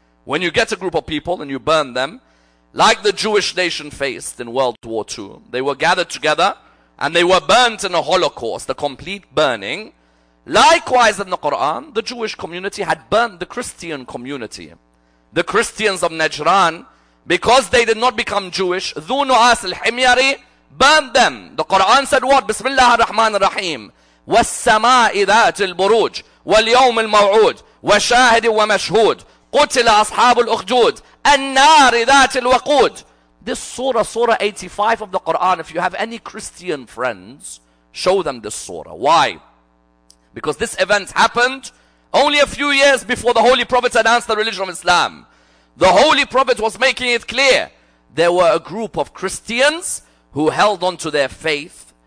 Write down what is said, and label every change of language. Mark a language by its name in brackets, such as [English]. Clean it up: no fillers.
[English] When you get a group of people and you burn them, like the Jewish nation faced in World War II, they were gathered together and they were burnt in a holocaust, a complete burning. Likewise in the Quran, the Jewish community had burnt the Christian community. The Christians of Najran, because they did not become Jewish, ذو نعاس الحمير, burned them. The Quran said what? [Arabic] بسم الله الرحمن الرحيم والسماء ذات البروج واليوم الموعود وشاهد ومشهود قتل أصحاب الأخدود النار ذات الوقود. [English] This surah, surah 85 of the Quran, if you have any Christian friends, show them this surah. Why? Because this event happened only a few years before the Holy Prophet announced the religion of Islam. The Holy Prophet was making it clear there were a group of Christians who held on to their faith.